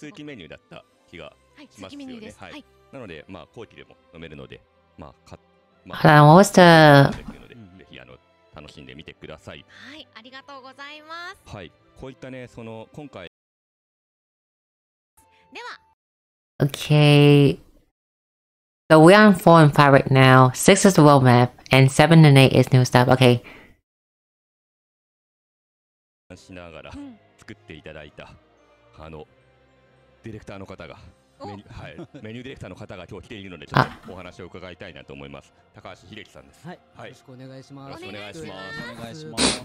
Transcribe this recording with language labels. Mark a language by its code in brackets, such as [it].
[ja] 通気メニューだった気がしますよね、はい、通気メニューです、はい、なので、まあ、後期でも飲めるので、まあ、買まあ、ハローオースターぜひあの楽しんでみてください。はい、ありがとうございます。はい、こういったね、その今回では [en] Okay So we are on 4 and 5 right now. 6 is the world map and 7 and 8 is new stuff. Okay [ja] しながら作っていただいた、うん、あのディレクターの方がはい、メニューディレクターの方が今日来ているのでちょっとお話を伺いたいなと思います。高橋秀樹さんです、はい、はい、よろしくお願いします。よろしくお願いします。お願いします。